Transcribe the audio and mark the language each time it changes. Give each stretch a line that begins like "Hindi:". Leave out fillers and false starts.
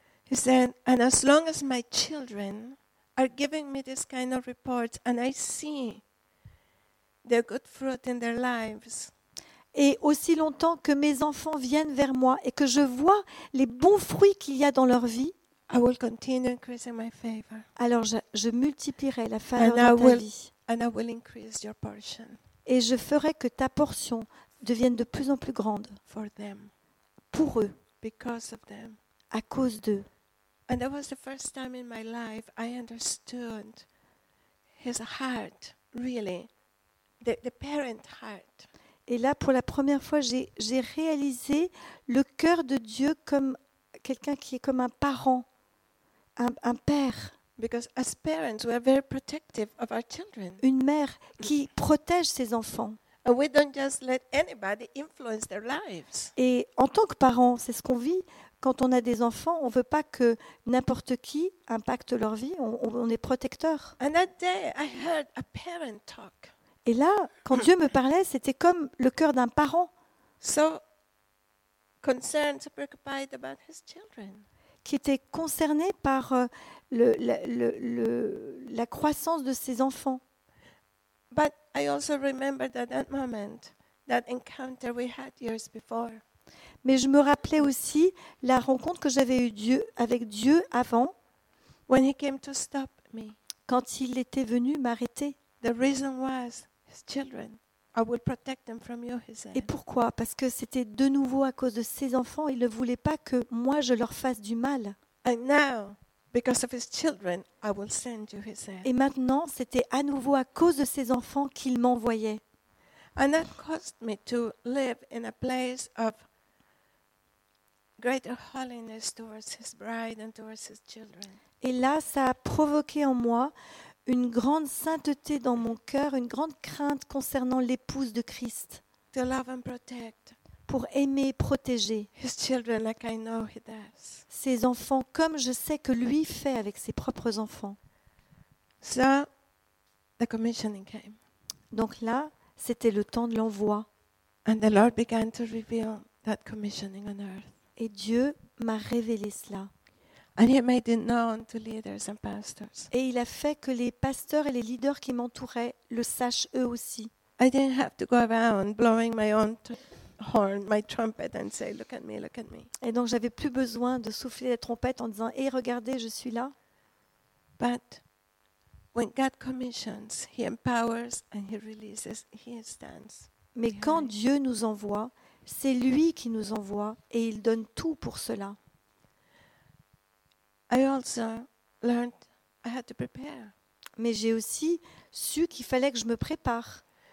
English: He said, and as long as my children are giving me this kind of reports and I see the good fruit in their lives.
French: Et aussi longtemps que mes enfants viennent vers moi et que je vois les bons fruits qu'il y a dans leur vie,
English: I will continue increasing my favor.
French: Alors je multiplierai la faveur de ta vie.
English: And I will increase your portion.
French: Et je ferai que ta portion devienne de plus en plus grande.
English: For them.
French: Pour eux.
English: Because of them.
French: À cause d'eux.
English: And that was the first time in my life I understood his heart, really, the parent heart.
French: Et là, pour la première fois, j'ai réalisé le cœur de Dieu comme quelqu'un qui est comme un parent, un père.
English: Because as parents, we are very protective of our children.
French: Une mère qui protège ses enfants.
English: And we don't just let anybody influence their lives.
French: Et en tant que parents, c'est ce qu'on vit. Quand on a des enfants, on ne veut pas que n'importe qui impacte leur vie. On est protecteur.
English: And that day, I heard a parent talk.
French: Et là, quand Dieu me parlait, c'était comme le cœur d'un parent.
English: So concerned, so preoccupied about his children.
French: Qui était concerné par la croissance de ses enfants.
English: But I also remember that moment, that encounter we had years before.
French: Mais je me rappelais aussi la rencontre que j'avais eue avec Dieu avant.
English: When he came to stop me.
French: Quand il était venu m'arrêter.
English: The reason was his children. I will protect them from you, he said.
French: Et pourquoi? Parce que c'était de nouveau à cause de ses enfants. Il ne voulait pas que moi je leur fasse du mal.
English: And now, because of his children, I will send you, he said.
French: Et maintenant, c'était à nouveau à cause de ses enfants qu'il m'envoyait.
English: And that caused me to live in a place of greater holiness towards his bride and towards his children.
French: Et là, ça a provoqué en moi une grande sainteté dans mon cœur, une grande crainte concernant l'épouse de Christ.
English: To love and protect.
French: Pour aimer et protéger.
English: His children like I know he does.
French: Ses enfants comme je sais que lui fait avec ses propres enfants.
English: So, the commissioning came.
French: Donc là, c'était le temps de l'envoi.
English: And the Lord began to reveal that commissioning on earth.
French: Et Dieu m'a révélé cela.
English: And he made it known to leaders and pastors.
French: Et il a fait que les pasteurs et les leaders qui m'entouraient le sachent eux aussi.
English: I didn't have to go around blowing my own horn, my trumpet, and say, look at me, look at me.
French: Et donc j'avais plus besoin de souffler la trompette en disant, hey, regardez, je suis là.
English: But when God commissions, he empowers and he releases, he stands.
French: Mais quand Dieu nous envoie, c'est lui qui nous envoie et il donne tout pour cela.
English: I also learned I had to prepare.
French: Mais j'ai aussi su qu'il fallait que je me prépare.